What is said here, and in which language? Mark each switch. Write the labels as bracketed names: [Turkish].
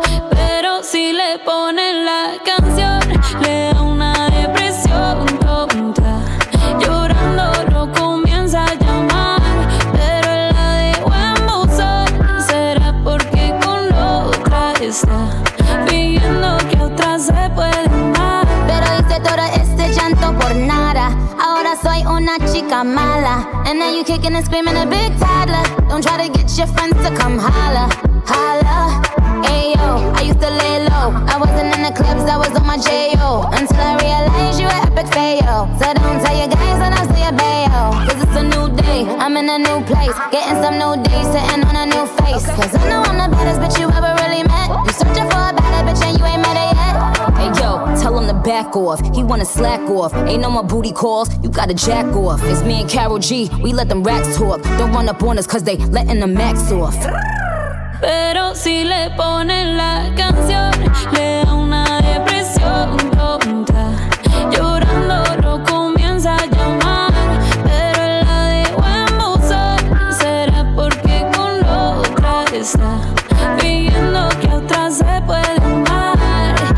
[Spanish] Pero si le ponen la canción, le da una depresión tonta. Llorando lo comienza a llamar, pero la de buen buzón. Será porque con otra está fingiendo que otra se puede amar. Pero hice todo este llanto por nada. Soy una chica mala. [English] And now you kicking and screaming a big toddler. Don't try to get your friends to come holla. Holla. Ayo, I used to lay low. I wasn't in the clubs, I was on my J-O. Until I realized you were epic fail. So don't tell your guys when I see your bayo. Cause it's a new day, I'm in a new place. Getting some new days, sitting on a new face. Cause I know I'm the baddest bitch you ever really met. You searching for a better bitch and you ain't met it yet. Ayo, tell him to back off, he wanna slack off. Ain't no more booty calls, you gotta jack off. It's me and Carol G, we let them racks talk. Don't run up on us cause they letting the max off. [Spanish] Pero si le ponen la canción, le da una depresión tonta. Llorando lo comienza a llamar, pero la de buen buzón. Será porque con otra está viendo que otra se puede amar.